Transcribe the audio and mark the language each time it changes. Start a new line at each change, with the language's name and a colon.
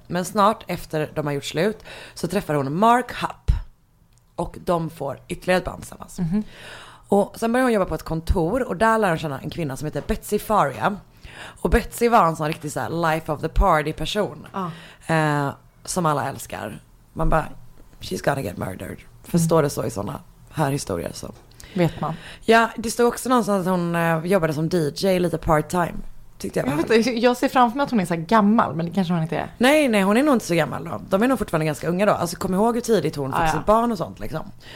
Swedish: Men snart efter de har gjort slut så träffar hon Mark Hupp. Och de får ytterligare ett barn tillsammans. Mm-hmm. Och sen börjar hon jobba på ett kontor. Och där lär hon känna en kvinna som heter Betsy Faria. Och Betsy var en sån riktig så här
English: life of the party person.
Swedish: Som alla älskar. Man bara,
English: she's gonna get murdered.
Swedish: Förstår det så i såna här historier så. Vet man. Ja, det stod också någonstans att hon jobbade som DJ lite part-time. Tyckte jag. Jag ser framför mig att hon är så här gammal, men det kanske hon inte är. Nej, nej, hon är nog inte så gammal då. De är nog fortfarande ganska unga då. Alltså kom ihåg hur tidigt hon fick sitt barn och sånt liksom.